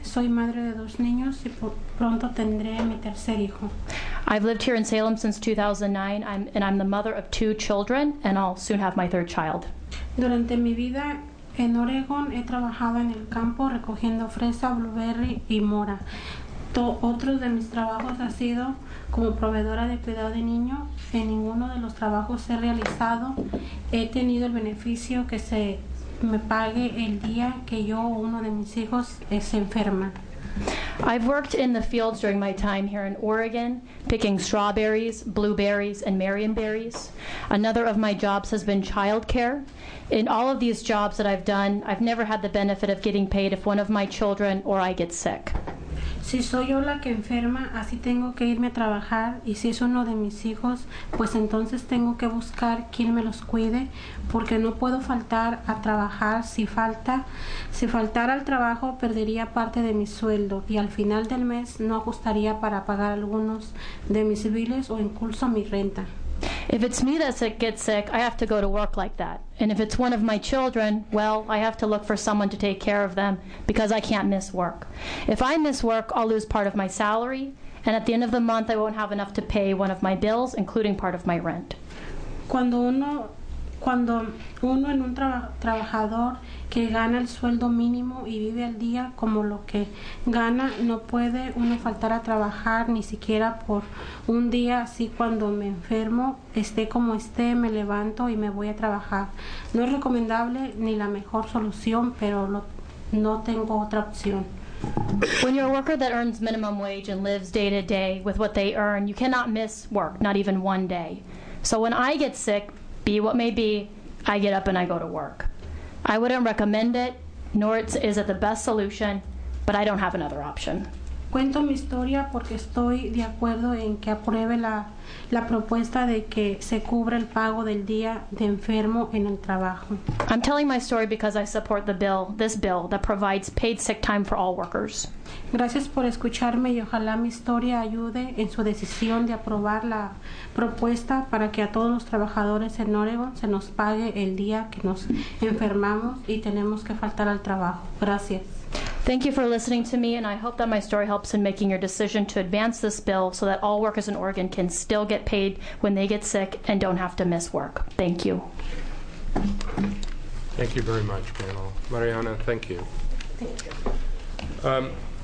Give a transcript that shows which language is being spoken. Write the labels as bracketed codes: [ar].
[es] Soy madre de dos niños y pronto tendré mi tercer hijo. [en] I've lived here in Salem since 2009, and I'm the mother of two children, and I'll soon have my third child. [es] Durante mi vida en Oregon he trabajado en el campo recogiendo fresa, blueberry y mora. Otro de mis trabajos ha sido como proveedora de cuidado de niño. En ninguno de los trabajos he realizado he tenido el beneficio que se me pague el día que yo o uno de mis hijos es enferma. [en] I've worked in the fields during my time here in Oregon, picking strawberries, blueberries, and marionberries. Another of my jobs has been childcare. In all of these jobs that I've done, I've never had the benefit of getting paid if one of my children or I get sick. [es] Si soy yo la que enferma, así tengo que irme a trabajar, y si es uno de mis hijos, pues entonces tengo que buscar quien me los cuide, porque no puedo faltar a trabajar. Si faltara al trabajo, perdería parte de mi sueldo, y al final del mes no ajustaría para pagar algunos de mis biles o incluso mi renta. [en] If it's me that gets sick, I have to go to work like that. And if it's one of my children, well, I have to look for someone to take care of them because I can't miss work. If I miss work, I'll lose part of my salary, and at the end of the month, I won't have enough to pay one of my bills, including part of my rent. [es] Cuando uno en un trabajador que gana el sueldo mínimo y vive al día como lo que gana, no puede uno faltar a trabajar ni siquiera por un día. Así cuando me enfermo, esté como esté, me levanto y me voy a trabajar. No es recomendable ni la mejor solución, pero no tengo otra opción. [en] When you're a worker that earns minimum wage and lives day to day with what they earn, you cannot miss work, not even one day. So when I get sick, be what may be, I get up and I go to work. I wouldn't recommend it, nor is it the best solution, but I don't have another option. [es] Cuento mi historia porque estoy de acuerdo en que apruebe la propuesta de que se cubra el pago del día de enfermo en el trabajo. [en] I'm telling my story because I support the bill, this bill that provides paid sick time for all workers. [es] Gracias por escucharme y ojalá mi historia ayude en su decisión de aprobar la propuesta para que a todos los trabajadores en Oregon se nos pague el día que nos enfermamos y tenemos que faltar al trabajo. Gracias. [en] Thank you for listening to me, and I hope that my story helps in making your decision to advance this bill so that all workers in Oregon can still get paid when they get sick and don't have to miss work. Thank you. Thank you very much, panel. Mariana, thank you. Thank you.